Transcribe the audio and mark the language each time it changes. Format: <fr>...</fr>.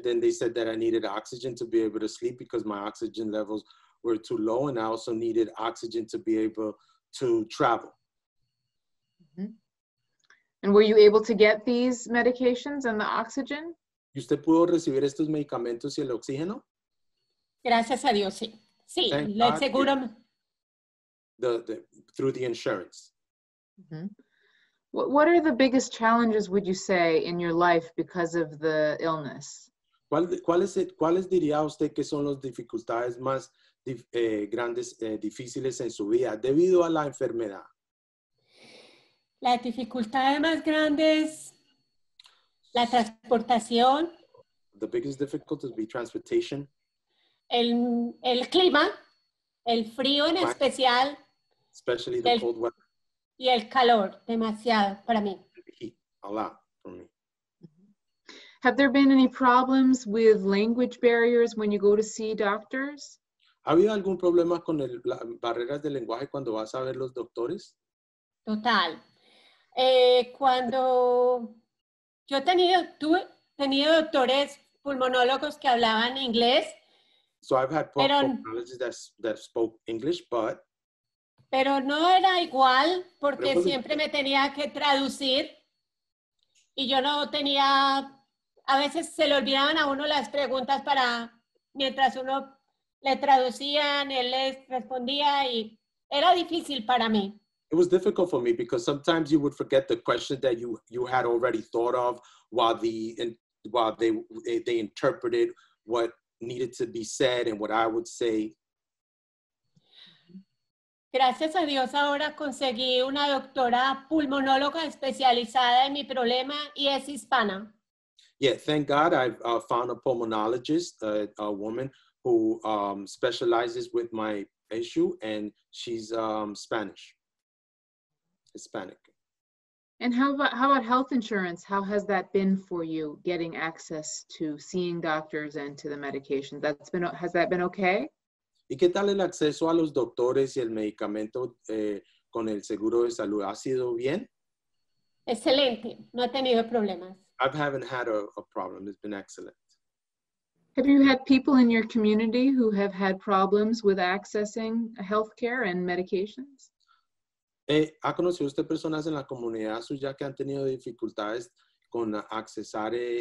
<en>Then they said that I needed oxygen to be able to sleep because my oxygen levels were too low. And I also needed oxygen to be able to travel. And were you able to get these medications and the oxygen?</en> <es>¿Y usted pudo recibir estos medicamentos y el oxígeno? Gracias a Dios, sí. Sí, le aseguro.</es> <en>Through the insurance. Mm-hmm. What are the biggest challenges, would you say, in your life because of the illness?</en> <es>¿Cuáles diría usted que son las dificultades más grandes, difíciles en su vida debido a la enfermedad? La dificultad más grande es la transportación.</es> <en>The biggest difficulty would be transportation.</en> <es>El clima, el frío en especial.</es> <en>Especially the cold weather.</en> <es>Y el calor, demasiado para mí.</es> <en>A lot for me. Have there been any problems with language barriers when you go to see doctors?</en> <es>¿Ha habido algún problema con las barreras de lenguaje cuando vas a ver los doctores? Total. Cuando yo tenía doctores pulmonólogos que hablaban inglés.</es> <en>So I've had pulmonologists that spoke English, but.</en> <es>Pero no era igual porque siempre me tenía que traducir y yo no tenía, a veces se le olvidaban a uno las preguntas para, mientras uno le traducían, él les respondía y era difícil para mí.</es> <en>It was difficult for me because sometimes you would forget the question that you had already thought of while they interpreted what needed to be said and what I would say.</en> <es>Gracias a Dios ahora conseguí una doctora pulmonóloga especializada en mi problema y es hispana.</es> <en>Yeah, thank God I found a pulmonologist, a woman who specializes with my issue and she's Spanish. Hispanic. And how about health insurance? How has that been for you getting access to seeing doctors and to the medication? Has that been okay?</en> <es>¿Y qué tal el acceso a los doctores y el medicamento con el seguro de salud? ¿Ha sido bien? Excelente. No he tenido problemas.</es> <en>I haven't had a problem. It's been excellent. Have you had people in your community who have had problems with accessing healthcare and medications?</en> <es>¿Ha conocido usted personas en la comunidad suya que han tenido dificultades con accesar</es>